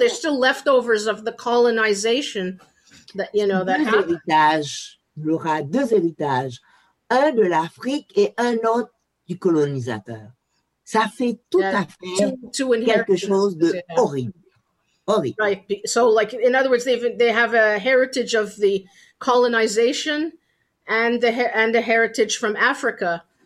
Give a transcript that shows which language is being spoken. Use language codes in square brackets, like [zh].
[en] There's still leftovers of the colonization that, you know, that happened. [fr] Deux héritages, un de l'Afrique et un autre du colonisateur. Ça fait tout à fait quelque chose de horrible. [en] Right. So, like, in other words, they have a heritage of the colonization and the heritage from Africa.